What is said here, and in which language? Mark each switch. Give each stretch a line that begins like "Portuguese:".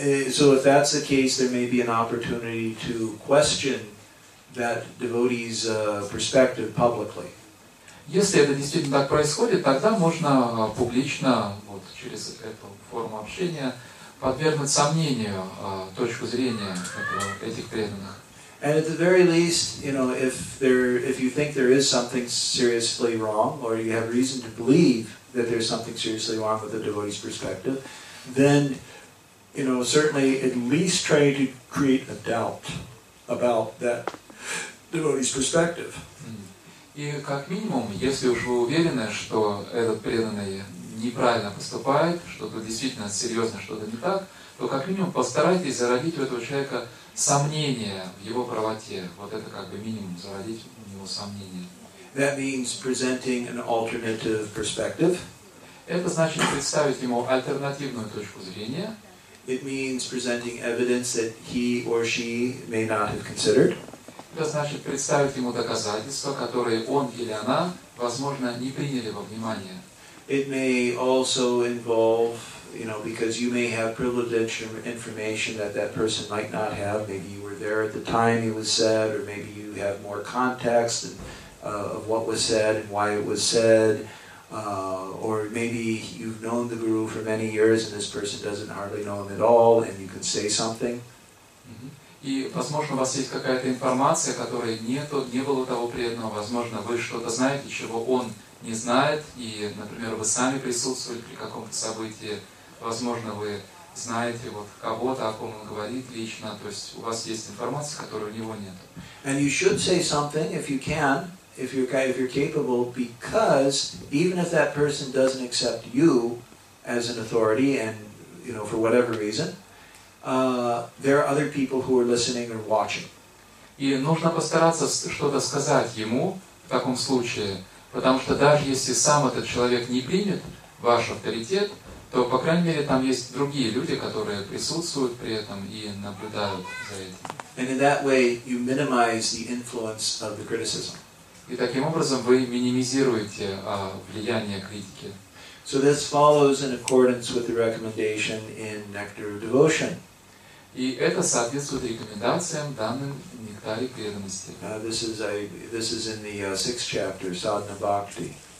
English: So if that's the case, there may be an opportunity to question that devotee's perspective publicly.
Russian: Если это действительно так происходит, тогда можно публично, вот через эту форму общения, подвергнуть сомнению точку зрения этих преданных.
English: And at the very least, you know, if you think there is something seriously wrong, or you have reason to believe that there's something seriously wrong with the devotee's perspective, then, you know, certainly at least try to create a doubt about that devotee's perspective.
Russian: И как минимум, если уж вы уверены, что этот преданный неправильно поступает, что тут действительно серьезно что-то не так, то как минимум постарайтесь зародить у этого человека сомнения в его правоте. Вот это как бы минимум, зародить у него сомнения.
English: That means presenting an alternative perspective.
Russian: Это значит представить ему альтернативную точку зрения.
English: It means presenting evidence that he or she may not have considered.
Russian: Это значит представить ему доказательства, которые он или она, возможно, не приняли во внимание.
English: It may also involve, you know, because you may have privileged information that that person might not have. Maybe you were there at the time it was said, or maybe you have more context and, of what was said and why it was said. Or maybe you've known the guru for many years and this person doesn't hardly know him at all and you can say something.
Russian: И, возможно, у вас есть какая-то информация, которой нету, не было того преданного. Возможно, вы что-то знаете, чего он не знает. И, например, вы сами присутствовали при каком-то событии. Возможно, вы знаете вот кого-то, о ком он говорит лично. То есть у вас есть информация, которой у него нет.
English: And you should say something if you can, if you're capable, because even if that person doesn't accept you as an authority and, you know, for whatever reason, there are other people who are listening or watching.
Russian: И нужно постараться что-то сказать ему в таком случае, потому что даже если сам этот человек не примет ваш авторитет, то, по крайней мере, там есть другие люди, которые присутствуют при этом и наблюдают за этим.
English: And in that way you minimize the influence of the criticism.
Russian: И таким образом вы минимизируете влияние критики.
English: So this follows in accordance with the recommendation in Nectar of Devotion.
Russian: И это соответствует рекомендациям, данным в нектаре преданности.
English: This is in the sixth chapter, Sadhana Bhakti.